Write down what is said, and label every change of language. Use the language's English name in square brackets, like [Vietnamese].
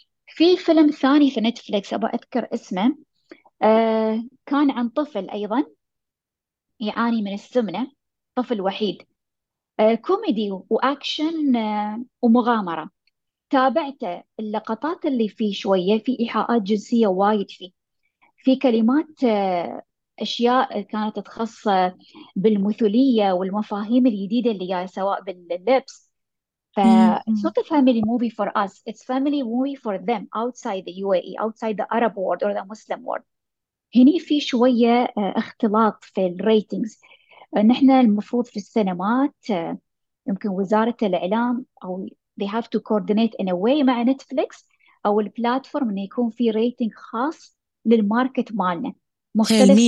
[Arabic] في فيلم ثاني في نتفليكس أبغى أذكر اسمه، كان عن طفل أيضا يعاني من السمنة، طفل وحيد، كوميدي وأكشن ومغامرة. تابعت اللقطات اللي فيه شوية في إيحاءات جنسية وايد، فيه في كلمات أشياء كانت تخص بالمثلية والمفاهيم الجديدة اللي جاية سواء باللبس. [English] ف it's not a family movie for us, it's family movie for them outside the UAE, outside the Arab world or the Muslim world. [Arabic] هني في شوية اختلاط في الريتينجز، نحن المفروض في السينمات يمكن وزارة الإعلام أو [English] they have to coordinate in a way [Arabic] مع Netflix أو البلاتفورم إنه يكون في ريتينج خاص للماركت مالنا مختلف